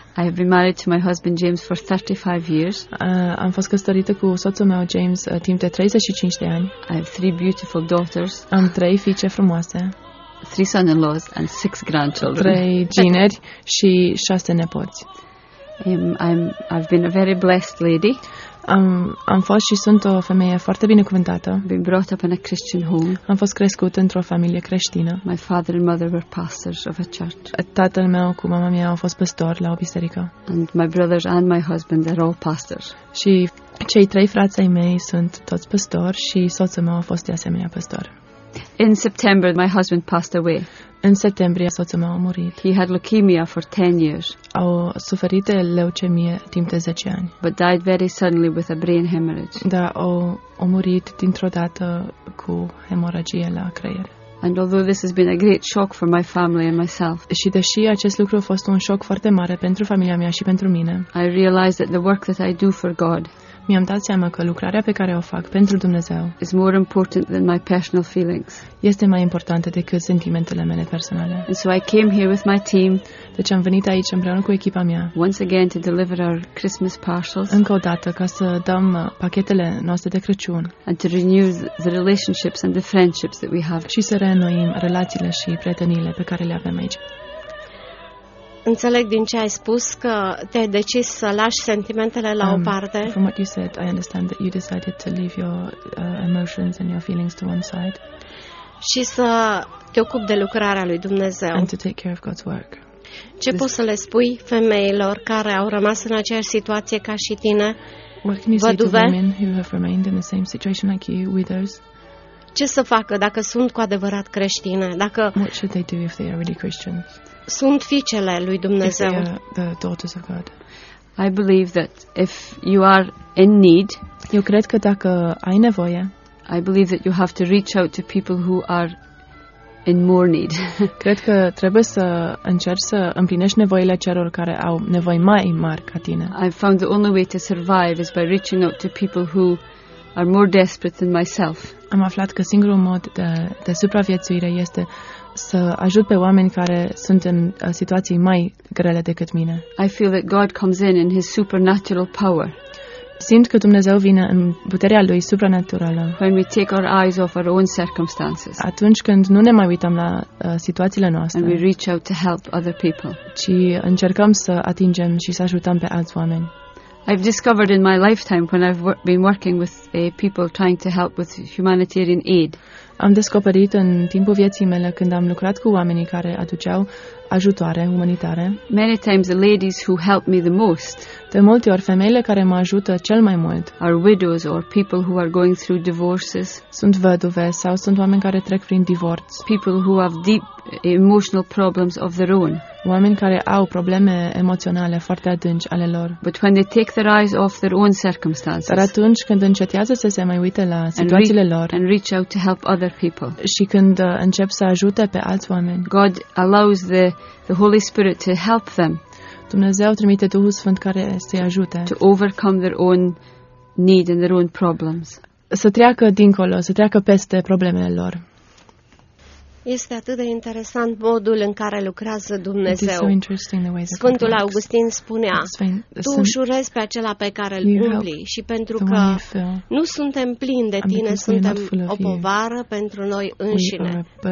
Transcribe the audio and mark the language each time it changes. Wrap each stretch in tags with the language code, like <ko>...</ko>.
<en>I have been married to my husband James for 35 years.</en> <ro>Am fost căsătorită cu soțul meu James timp de 35 de ani.</ro> <en>I have 3 beautiful daughters.</en> <ro>Am 3 fiice frumoase.</ro> <en>3 son-in-laws and 6 grandchildren.</en> <ro>3 gineri și 6 nepoți.</ro> <en>I've been a very blessed lady.</en> <ro>Am fost și sunt o femeie foarte binecuvântată.</ro> <en>Been brought up in a Christian home.</en> <ro>Am fost crescut într-o familie creștină.</ro> <en>My father and mother were pastors of a church.</en> <ro>Tatăl meu cu mama mea au fost păstori la o biserică.</ro> <en>And my brothers and my husband are all pastors.</en> <ro>Și cei 3 frați ai mei sunt toți păstori și soțul meu a fost de asemenea păstor.</ro> <en>In September, my husband passed away.</en> <ro>În septembrie soțul meu a murit.</ro> <en>He had leukemia for 10 years.</en> <ro>A suferit de leucemie timp de 10 ani.</ro> <en>But died very suddenly with a brain hemorrhage.</en> <ro>Da, a murit dintr-o dată cu hemoragie la creier.</ro> <en>And although this has been a great shock for my family and myself,</en> <ro>și deși acest lucru a fost un șoc foarte mare pentru familia mea și pentru mine,</ro> <en>I realized that the work that I do for God,</en> <ro>mi-am dat seama că lucrarea pe care o fac pentru Dumnezeu,</ro> <en>is more important than my personal feelings,</en> <ro>este mai importantă decât sentimentele mele personale.</ro> <en>And so I came here with my team,</en> <ro>deci am venit aici împreună cu echipa mea,</ro> <en>once again to deliver our Christmas parcels,</en> <ro>încă o dată ca să dăm pachetele noastre de Crăciun,</ro> <en>and to renew the relationships and the friendships that we have,</en> <ro>și să reînnoim relațiile și prieteniile pe care le avem aici. Înțeleg din ce ai spus că te-ai decis să lași sentimentele la o parte.</ro> <en>From what you said, I understand that you decided to leave your emotions and your feelings to one side.</en> <ro>Și să te ocupi de lucrarea lui Dumnezeu.</ro> <en>And to take care of God's work.</en> <ro>Ce poți să le spui femeilor care au rămas în aceeași situație ca și tine?</ro> <en>What can you say to women who have remained in the same situation like you, widows?</en> <ro>Ce să facă dacă sunt cu adevărat creștine? Dacă</ro> <en>what should they do if they are really Christians?</en> <ro>Sunt fiicele lui Dumnezeu.</ro> <en>The daughters of God. I believe that if you are in need,</en> <ro>eu cred că dacă ai nevoie,</ro> <en>I believe that you have to reach out to people who are in more need.</en> <ro>Cred că trebuie să încerci să împlinești nevoile celor care au nevoi mai mari ca tine.</ro> <en>I found the only way to survive is by reaching out to people who are more desperate than myself.</en> <ro>Am aflat că singurul mod de supraviețuire este să ajut pe oameni care sunt în situații mai grele decât mine.</ro> <en>I feel that God comes in his supernatural power.</en> <ro>Simt că Dumnezeu vine în puterea lui supranaturală.</ro> <en>When we take our eyes off our own circumstances.</en> <ro>Atunci când nu ne mai uităm la situațiile noastre.</ro> <en>And we reach out to help other people.</en> <ro>Ci încercăm să atingem și să ajutăm pe alți oameni.</ro> <en>I've discovered in my lifetime when I've been working with people trying to help with humanitarian aid.</en> <ro>Am descoperit în timpul vieții mele când am lucrat cu oamenii care aduceau ajutoare umanitare.</ro> <en>Many times the ladies who help me the most.</en> <ro>De multe ori femeile care mă ajută cel mai mult.</ro> <en>Are widows or people who are going through divorces.</en> <ro>Sunt văduve sau sunt oameni care trec prin divorț.</ro> <en>People who have deep emotional problems of their own.</en> <ro>Oameni care au probleme emoționale foarte adânci ale lor.</ro> <en>But when they take their eyes off their own circumstances.</en> <ro>Dar atunci când încetează să se mai uite la situațiile lor.</ro> <en>And reach out to help other people.</en> <ro>Și când încep să ajute pe alți oameni.</ro> <en>God allows the Holy Spirit to help them.</en> <ro>Dumnezeu trimite Duhul Sfânt care să-i ajute.</ro> <en>To overcome their own need and their own problems.</en> <ro>Să treacă dincolo, să treacă peste problemele lor. Este atât de interesant modul în care lucrează Dumnezeu.</ro> <en>So</en> <ro>Sfântul Augustin spunea, tu ușurezi pe acela pe care îl umbli și pentru că nu suntem plini de tine, suntem o povară pentru noi înșine.</ro>